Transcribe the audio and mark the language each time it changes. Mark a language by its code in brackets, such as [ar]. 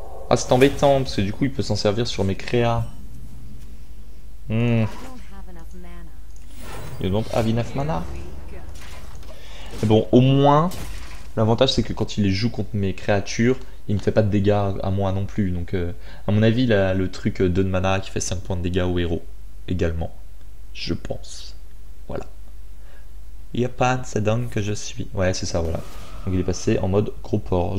[fr] Ah, c'est embêtant, parce que du coup, il peut s'en servir sur mes créas. [en] You don't have enough mana. [fr] Mais bon, au moins, l'avantage c'est que quand il les joue contre mes créatures, il me fait pas de dégâts à moi non plus. Donc, à mon avis, là, le truc donne mana qui fait 5 points de dégâts au héros également. Je pense. Voilà. Yapan, c'est dingue que je suis. Ouais, c'est ça, voilà. Donc, il est passé en mode gros porc.